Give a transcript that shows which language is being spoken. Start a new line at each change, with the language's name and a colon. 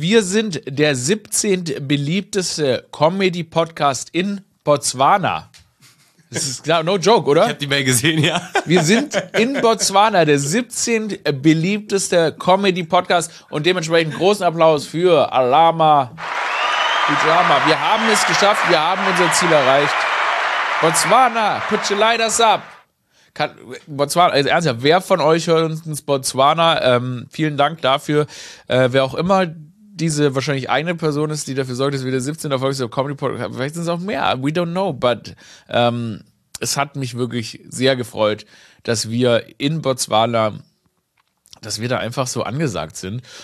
German: Wir sind der 17. beliebteste Comedy-Podcast in Botswana. Das ist klar,
English: no joke,
German: oder? Ich hab die Mail gesehen, ja. Wir sind in Botswana der 17. beliebteste Comedy-Podcast. Und dementsprechend großen Applaus für Alama Pyjama. Wir haben es geschafft, wir haben unser Ziel erreicht.
English: Botswana, put your lighters up.
German: Botswana, also ernsthaft, wer von euch hört uns ins Botswana? Vielen Dank dafür. Wer auch immer diese wahrscheinlich eine Person ist, die dafür sorgt, dass wir der 17. erfolgreichste Comedy-Podcast haben, vielleicht sind es auch mehr,
English: we don't know, but
German: es hat mich wirklich sehr gefreut, dass wir in Botswana, dass wir da einfach so angesagt sind.